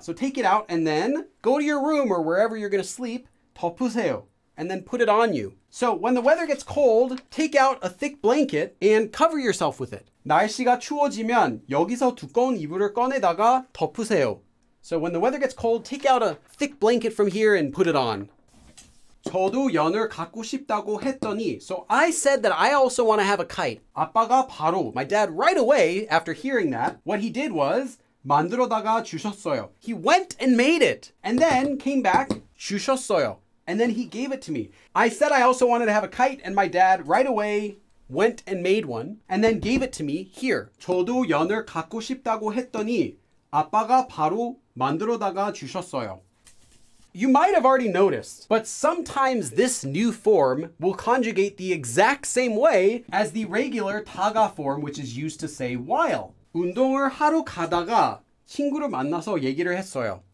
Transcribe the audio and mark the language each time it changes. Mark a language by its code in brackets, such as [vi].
[en] so take it out and then go to your room or wherever you're going to sleep, [ko] 덮으세요. [en] And then put it on you. So when the weather gets cold, take out a thick blanket and cover yourself with it. [ko] 날씨가 추워지면 여기서 두꺼운 이불을 꺼내다가 덮으세요. [en] So when the weather gets cold, take out a thick blanket from here and put it on. [ko] 저도 연을 갖고 싶다고 했더니. [en] So I said that I also want to have a kite. [ko] 아빠가 바로. [en] My dad right away after hearing that, what he did was [ko] 만들어다가 주셨어요. [en] He went and made it. And then came back [ko] 주셨어요. [en] And then he gave it to me. I said I also wanted to have a kite, and my dad right away went and made one, and then gave it to me here. [ko] 저도 연을 갖고 싶다고 했더니 아빠가 바로 만들어다가 주셨어요. [en] You might have already noticed, but sometimes this new form will conjugate the exact same way as the regular 다가 form, which is used to say while. [ko] 운동을 하러 가다가 친구를 만나서 얘기를 했어요.